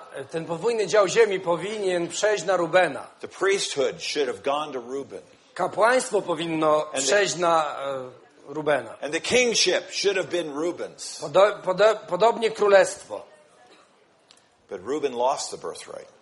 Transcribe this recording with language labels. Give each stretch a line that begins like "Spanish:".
Polish: Ten podwójny dział ziemi powinien przejść na Rubena.
English: The priesthood should have gone to Reuben.
Polish: Kapłaństwo powinno przejść na Rubena.
English: And the kingship should have been Reuben's.
Polish: Podobnie królestwo.
English: But Reuben lost the birthright.